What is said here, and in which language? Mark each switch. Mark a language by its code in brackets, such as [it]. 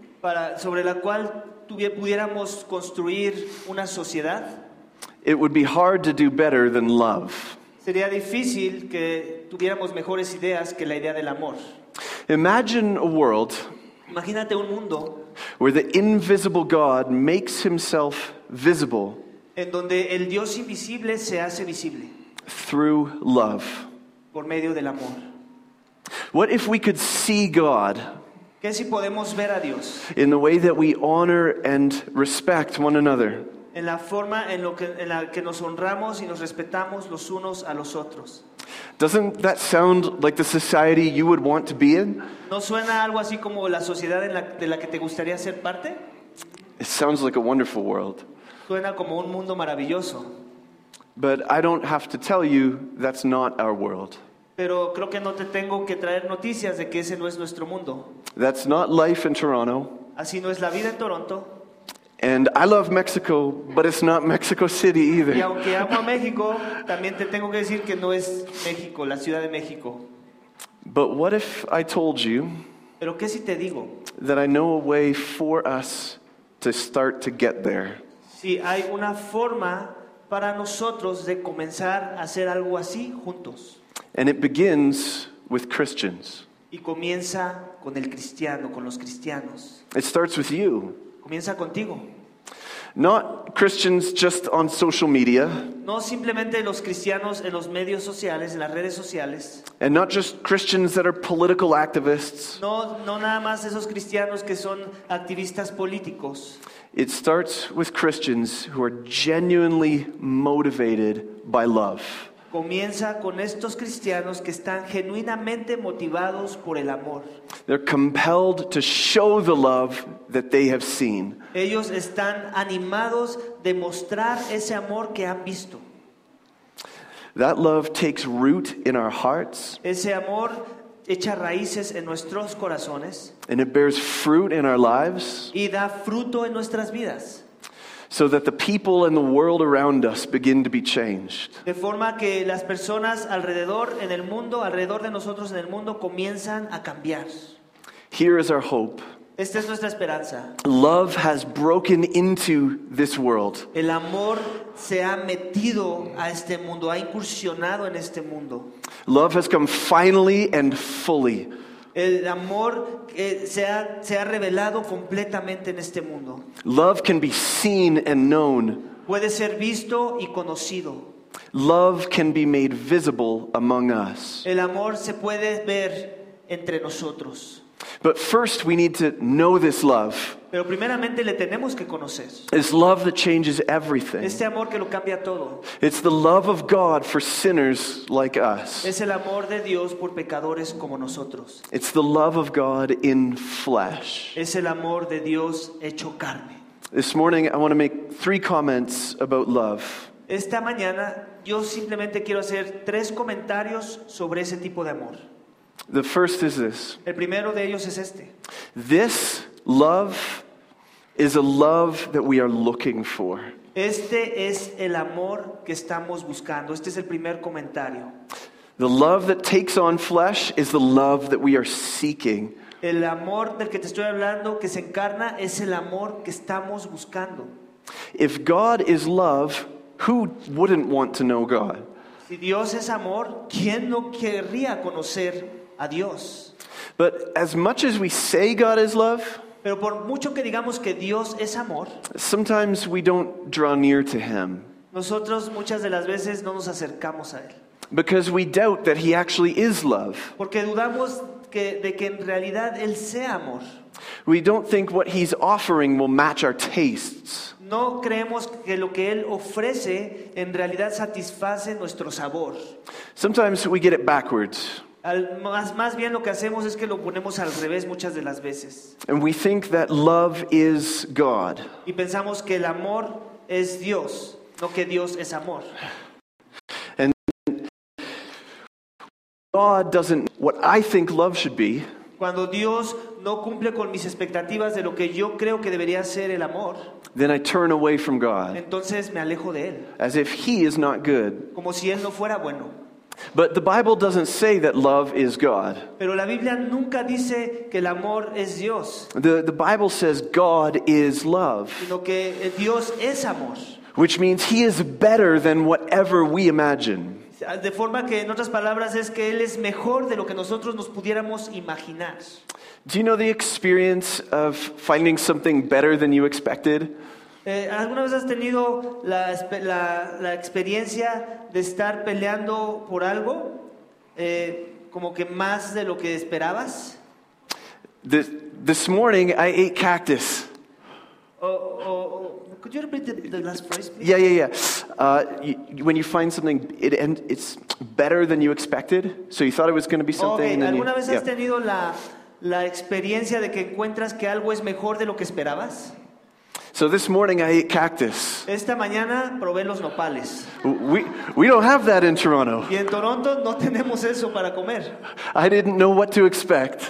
[es] para sobre la cual pudiéramos construir una sociedad, [en] it would be hard to do better than love. [es] Sería difícil que tuviéramos mejores ideas que la idea del amor. [en] Imagine a world, [es] imagínate un mundo, [en] where the invisible God makes himself visible, [es] en donde el Dios invisible se hace visible, [en] through love, [es] por medio del amor. [en] What if we could see God, [es] ¿qué si podemos ver a Dios, [en] in the way that we honor and respect one another, [es] en la forma en, lo que, en la que nos honramos y nos respetamos los unos a los otros? [en] Doesn't that sound like the society you would want to be in? [es] ¿No suena algo así como la sociedad en la, de la que te gustaría ser parte? [en] It sounds like a wonderful world. [es] Suena como un mundo maravilloso. [en] But I don't have to tell you that's not our world. [es] Pero creo que no te tengo que traer noticias de que ese no es nuestro mundo. [en] That's not life in Toronto. [es] Así no es la vida en Toronto. [en] And I love Mexico, but it's not Mexico City either. [es] Y aunque amo a México, también te tengo que decir que no es México, la Ciudad de México. [en] But what if I told you, [es] pero qué si te digo, [en] that I know a way for us to start to get there? [es] Si hay una forma para nosotros de comenzar a hacer algo así juntos. [en] And it begins with Christians. [es] Y comienza con el cristiano, con los cristianos. [en] It starts with you. [es] Comienza contigo. [en] Not Christians just on social media. [es] No simplemente los cristianos en los medios sociales, en las redes sociales. [en] And not just Christians that are political activists. [es] No nada más esos cristianos que son activistas políticos. [en] It starts with Christians who are genuinely motivated by love. [es] Comienza con estos cristianos que están genuinamente motivados por el amor. [en] They're compelled to show the love that they have seen. [es] Ellos están animados de mostrar ese amor que han visto. [en] That love takes root in our hearts. [es] Ese amor echa raíces en nuestros corazones. [en] And it bears fruit in our lives. [es] Y da fruto en nuestras vidas. [en] So that the people and the world around us begin to be changed. [es] De forma que las personas alrededor en el mundo, alrededor de nosotros en el mundo, comienzan a cambiar. [en] Here is our hope. [es] Esta es nuestra esperanza. [en] Love has broken into this world. [es] El amor se ha metido a este mundo, ha incursionado en este mundo. [en] Love has come finally and fully. [es] El amor se ha revelado completamente en este mundo. [en] Love can be seen and known. [es] Puede ser visto y conocido. [en] Love can be made visible among us. [es] El amor se puede ver entre nosotros. [en] But first we need to know this love. [es] Pero primeramente le tenemos que conocer. [en] It's love that changes everything. [es] Este amor que lo cambia todo. [en] It's the love of God for sinners like us. [es] Es el amor de Dios por pecadores como nosotros. [en] It's the love of God in flesh. [es] Es el amor de Dios hecho carne. [en] This morning I want to make three comments about love. [es] Esta mañana yo simplemente quiero hacer tres comentarios sobre ese tipo de amor. [en] The first is this. [es] El primero de ellos es este. [en] This love is a love that we are looking for. [es] Este es el amor que estamos buscando. Este es el primer comentario. [en] The love that takes on flesh is the love that we are seeking. [es] El amor del que te estoy hablando, que se encarna, es el amor que estamos buscando. [en] If God is love, who wouldn't want to know God? [es] Si Dios es amor, ¿quién no querría conocer a Dios? [en] But as much as we say God is love, [es] pero por mucho que digamos que Dios es amor, [en] sometimes we don't draw near to him. [es] Nosotros muchas de las veces no nos acercamos a él. [en] Because we doubt that he actually is love. [es] Porque dudamos de que en realidad él sea amor. [en] We don't think what he's offering will match our tastes. [es] No creemos que lo que él ofrece en realidad satisface nuestro sabor. [en] Sometimes we get it backwards. [es] Más bien lo que hacemos es que lo ponemos al revés muchas de las veces. [en] And we think that love is God. [es] Y pensamos que el amor es Dios, no que Dios es amor. [en] And God doesn't what I think love should be. [es] Cuando Dios no cumple con mis expectativas de lo que yo creo que debería ser el amor, [en] then I turn away from God. [es] Entonces me alejo de él. [en] As if he is not good. [es] Como si él no fuera bueno. [en] But the Bible doesn't say that love is God. [es] Pero la Biblia nunca dice que el amor es Dios. [en] The Bible says God is love. [es] Sino que Dios es amor. [en] Which means he is better than whatever we imagine. [es] De forma que en otras palabras es que él es mejor de lo que nosotros nos pudiéramos imaginar. [en] Do you know the experience of finding something better than you expected? [es] ¿Alguna vez has tenido la experiencia de estar peleando por algo como que más de lo que esperabas? [en] This morning I ate cactus. Could you repeat the last phrase, please? Yeah. When you find something, it's better than you expected. So you thought it was going to be something. Okay. And then [es] ¿alguna [en] you, [es] vez has tenido la experiencia de que encuentras que algo es mejor de lo que esperabas? [en] So this morning I ate cactus. [es] Esta mañana probé los nopales. [en] We don't have that in Toronto. [es] Y en Toronto no tenemos eso para comer. [en] I didn't know what to expect.